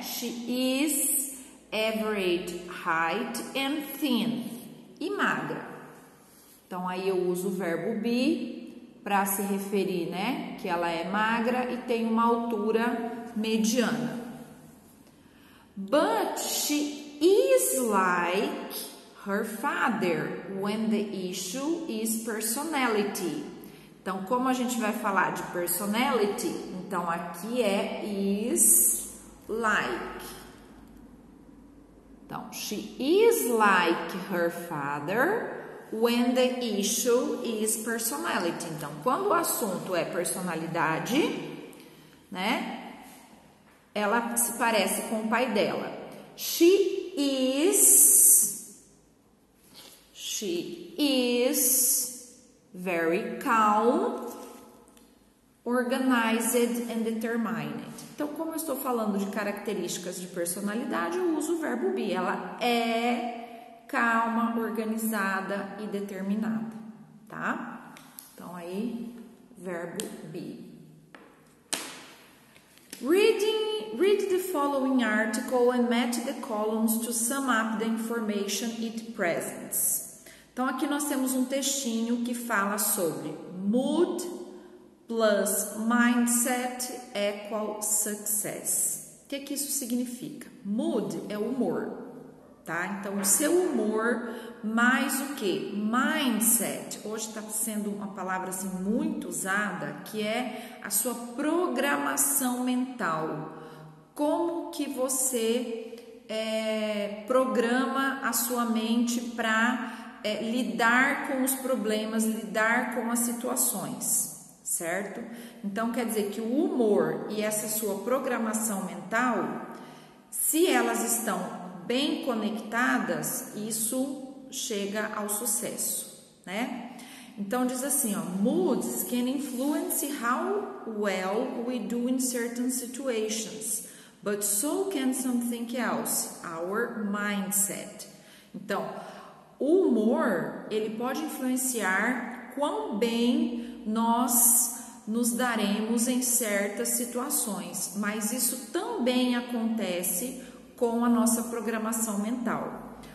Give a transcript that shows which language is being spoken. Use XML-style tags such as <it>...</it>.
<en>She is average height and thin.</en> <pt>E magra. Então, aí eu uso o verbo be para se referir, né? Que ela é magra e tem uma altura mediana.</pt> <en>But she is like her father when the issue is personality.</en> <pt>Então, como a gente vai falar de personality? Então, aqui é is like.</pt> <en>Então, she is like her father when the issue is personality.</en> <pt>Então, quando o assunto é personalidade, né? Ela se parece com o pai dela.</pt> <en>She is very calm, organized and determined.</en> <pt>Então, como eu estou falando de características de personalidade, eu uso o verbo be. Ela é calma, organizada e determinada, tá? Então, aí, verbo be.</pt> <en>Read the following article and match the columns to sum up the information it presents.</en> <pt>Então, aqui nós temos um textinho que fala sobre</pt> <en>mood plus mindset equal success.</en> <pt>O que que isso significa? Mood é humor, tá? Então, o seu humor mais o quê? Mindset. Hoje está sendo uma palavra assim muito usada, que é a sua programação mental. Como que você programa a sua mente para lidar com os problemas, lidar com as situações, certo? Então, quer dizer que o humor e essa sua programação mental, se elas estão bem conectadas, isso chega ao sucesso, né? Então, diz assim, ó,</pt> <en>moods can influence how well we do in certain situations, but so can something else, our mindset.</en> <pt>Então, o humor, ele pode influenciar quão bem nós nos daremos em certas situações, mas isso também acontece com a nossa programação mental.</pt>